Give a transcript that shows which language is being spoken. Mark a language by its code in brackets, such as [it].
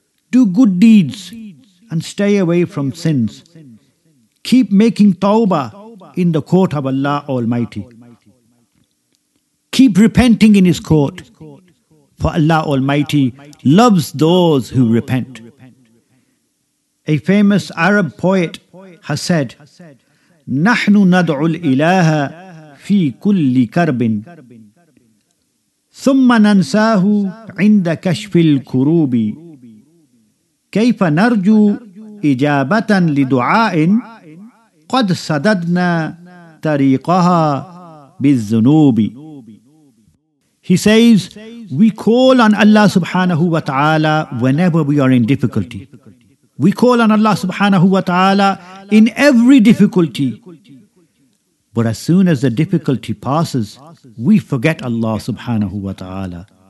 [en] Do good deeds and stay away from sins. Keep making tawbah in the court of Allah Almighty. Keep repenting in His court, for Allah Almighty loves those who repent. A famous Arab poet has said, [ar] نَحْنُ نَدْعُ الْإِلَهَ فِي كُلِّ كَرْبٍ ثُمَّ نَنْسَاهُ عِنْدَ كَشْفِ الْكُرُوبِ كَيْفَ نَرْجُو إِجَابَةً لِدُعَاءٍ قَدْ سَدَدْنَا تَرِيقَهَا بِالذُّنُوبِ. [en] He says, we call on Allah subhanahu wa ta'ala whenever we are in difficulty. We call on Allah subhanahu wa ta'ala in every difficulty. But as soon as the difficulty passes, we forget Allah subhanahu wa ta'ala.